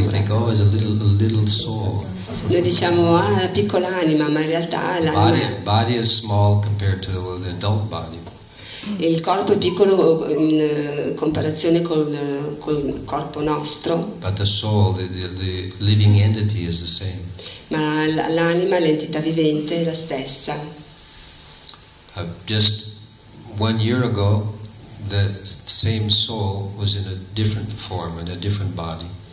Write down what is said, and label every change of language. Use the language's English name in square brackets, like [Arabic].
[English] We think, oh, it's a little soul. [Italian] Noi diciamo piccola anima, ma in realtà l'anima. [English] Body is small compared to the adult body. [Italian] Il corpo è piccolo in comparazione col corpo nostro. [English] But the soul, the living entity is the same. [Italian] Ma l'anima, l'entità vivente, è la stessa. [English] Just 1 year ago, the same soul was in a different form, in a different body.